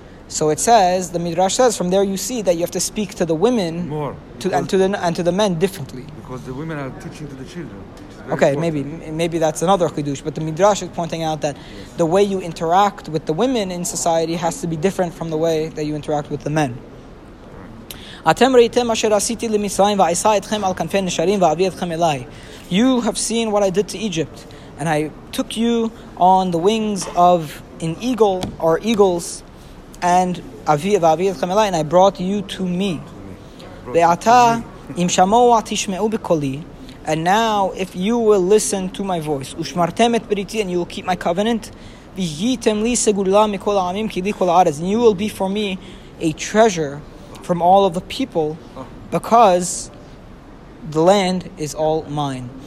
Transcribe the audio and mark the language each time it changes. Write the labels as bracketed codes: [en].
[en] So it says, the Midrash says, from there you see that you have to speak to the women and to the men differently. Because the women are teaching to the children. Okay, maybe that's another Chidush. But the Midrash is pointing out that the way you interact with the women in society has to be different from the way that you interact with the men. [he] אתם ראיתם אשר עשיתי למצרים ועשה אתכם על כנפי נשרים ואביא אתכם אליי. [en] You have seen what I did to Egypt, and I took you on the wings of an eagle or eagles, and [he] ואביא אתכם אליי, [en] and I brought you to me. [he] ועתה [en] And now, if you will listen to my voice, [he] ushmartem et briti, [en] and you will keep my covenant, [he] v'yitem li segula mikol ha'amim ki li kol ha'aretz, [en] and you will be for me a treasure from all of the people, because the land is all mine.